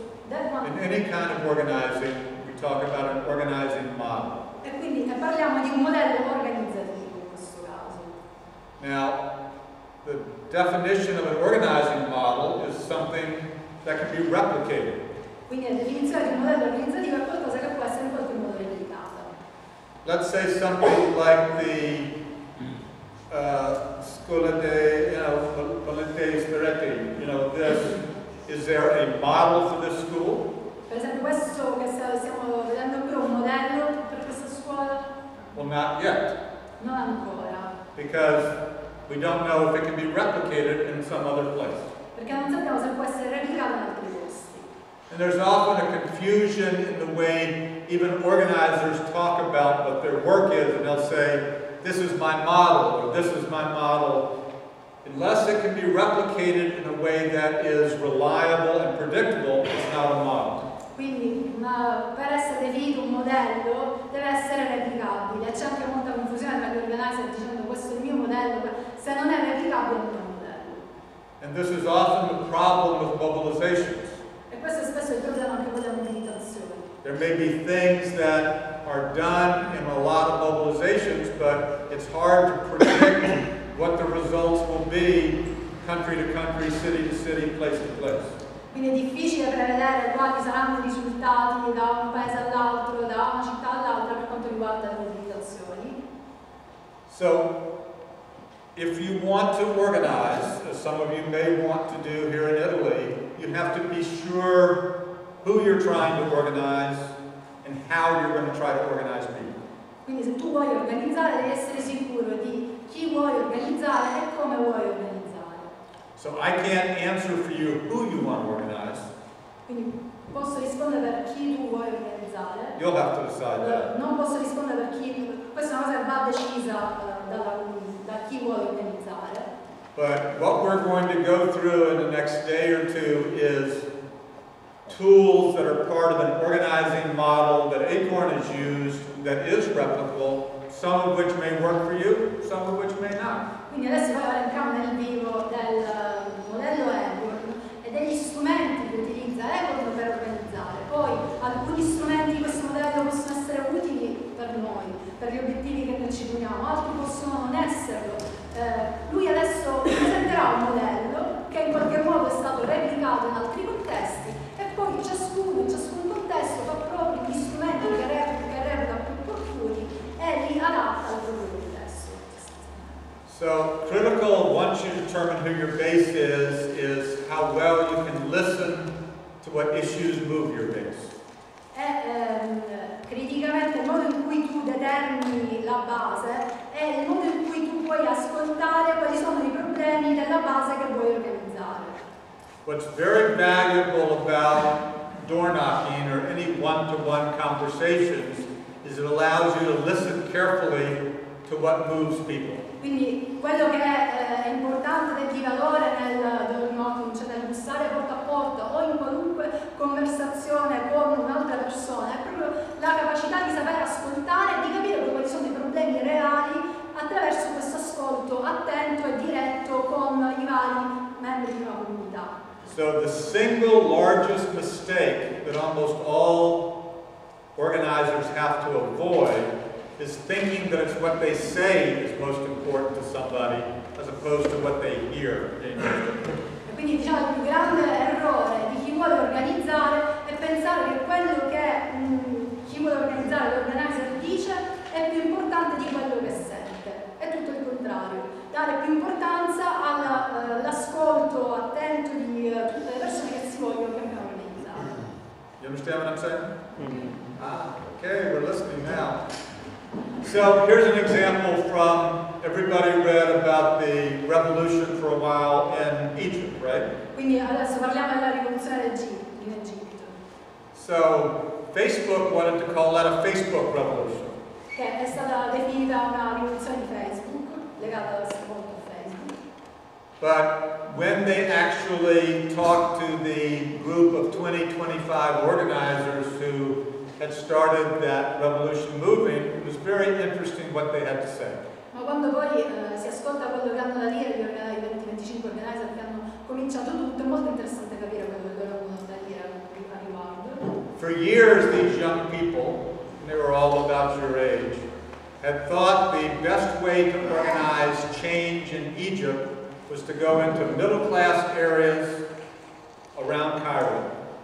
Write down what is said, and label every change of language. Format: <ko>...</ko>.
<en>In any kind of organizing, talk about an organizing model.</en> <it>E quindi ne parliamo di un modello organizzativo in questo caso.</it> <en>Now, the definition of an organizing model is something that can be replicated.</en> <it>Quindi la definizione di un modello organizzativo è qualcosa che può essere in qualche modo replicato.</it> <en>Let's say something like the Scuola de Bollenti Spiriti. You know, this is there a model for this school?</en> <it>Per esempio questo che stiamo vedendo qui è un modello per questa scuola?</it> <en>Well, not yet.</en> <it>Non ancora.</it> <en>Because we don't know if it can be replicated in some other place.</en> <it>Perché non sappiamo se può essere replicato in altri posti.</it> <en>And there's often a confusion in the way even organizers talk about what their work is, and they'll say, this is my model, or this is my model. Unless it can be replicated in a way that is reliable and predictable, it's not a model.</en> <it>Quindi, per essere definito un modello, deve essere replicabile. C'è anche molta confusione tra gli organizer dicendo questo è il mio modello, ma se se non è replicabile il tuo modello.</it> <en>And this is often the problem with mobilizations.</en> <it>E questo è spesso il problema anche con le mobilitazioni.</it> <en>There may be things that are done in a lot of mobilizations, but it's hard to predict what the results will be country to country, city to city, place to place.</en> <it>Quindi è difficile prevedere quali saranno i risultati da un paese all'altro, da una città all'altra per quanto riguarda le mobilitazioni.</it> <en>So, if you want to organize, as some of you may want to do here in Italy, you have to be sure who you're trying to organize and how you're going to try to organize people.</en> <it>Quindi se tu vuoi organizzare, devi essere sicuro di chi vuoi organizzare e come vuoi organizzare.</it> <en>So I can't answer for you who you want to organize.</en> <it>Quindi posso rispondere per chi tu vuoi organizzare.</it> <en>You'll have to decide that.</en> <it>Non posso rispondere per chi tu... Questa è una cosa che va decisa da chi vuoi organizzare.</it> <en>But what we're going to go through in the next day or two is tools that are part of an organizing model that ACORN has used that is replicable, some of which may work for you, some of which may not.</en> <it>Quindi adesso poi entriamo nel vivo del modello ACORN e degli strumenti che utilizza ACORN per organizzare. Poi alcuni strumenti di questo modello possono essere utili per noi, per gli obiettivi che noi ci poniamo, altri possono non esserlo. Lui adesso presenterà un modello che in qualche modo è stato replicato in altri contesti. Poi ciascun contesto fa proprio gli strumenti che reputa più opportuni e li adatta al proprio contesto.</it> <en>So, critical once you determine who your base is how well you can listen to what issues move your base.</en> <it>E criticamente il modo in cui tu determini la base è il modo in cui tu puoi ascoltare quali sono i problemi della base che vuoi organizzare.</it> <en>What's very valuable about door knocking or any one-to-one conversations is it allows you to listen carefully to what moves people.</en> <it>Quindi quello che è importante e di valore nel door knocking, cioè nel bussare porta a porta o in qualunque conversazione con un'altra persona, è proprio la capacità di saper ascoltare e di capire quali sono i problemi reali attraverso questo ascolto attento e diretto con i vari membri di una comunità.</it> <en>So the single largest mistake that almost all organizers have to avoid is thinking that it's what they say is most important to somebody as opposed to what they hear.</en> <it>E quindi diciamo il più grande errore di chi vuole organizzare è pensare che quello che chi vuole organizzare, l'organizer dice, è più importante di quello che sente. È tutto il contrario. Dare più importanza all'ascolto attento di tutte le persone che si vogliono organizzare.</it> <en>You understand what I'm saying? Okay, we're listening now. So here's an example from everybody read about the revolution for a while in Egypt, right?</en> <it>Quindi adesso parliamo della rivoluzione in Egitto.</it> <en>So Facebook wanted to call that a Facebook revolution.</en> <it>Che è stata definita una rivoluzione di Facebook, legata alla seconda Facebook.</it> <en>But when they actually talked to the group of 20-25 organizers who had started that revolution moving, it was very interesting what they had to say.</en> <it>Ma quando poi si ascolta quello che hanno da dire gli 20-25 organizer che hanno cominciato tutto, è molto interessante capire quello che loro hanno da dire a riguardo.</it> <en>For years these young people, and they were all about your age, had thought the best way to organize change in Egypt was to go into middle class areas around Cairo.</en>